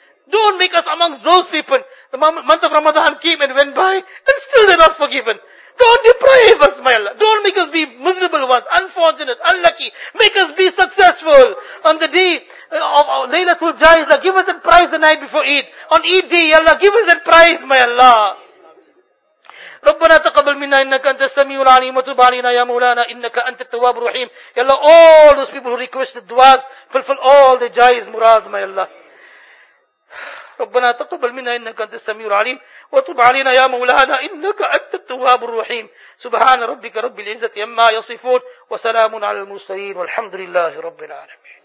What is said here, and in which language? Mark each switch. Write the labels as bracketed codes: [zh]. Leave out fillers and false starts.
[en] Don't make us amongst those people. The month of Ramadan came and went by, and still they're not forgiven. Don't deprive us, my Allah. Don't make us be miserable ones, unfortunate, unlucky. Make us be successful. On the day of Laylatul Jaiza, give us that prize the night before Eid. On Eid day, ya Allah, give us that prize, my Allah. [ar] ربنا تقبل منا انك انت السميع العليم وتب علينا يا مولانا انك انت التواب الرحيم. [en] يا الله, all those people who requested duas, fulfill all the jais murads, my Allah. [ar] ربنا تقبل منا انك انت السميع العليم وتب علينا يا مولانا انك انت التواب الرحيم. سبحان ربك رب العزه عما يصفون وسلام على المرسلين والحمد لله رب العالمين.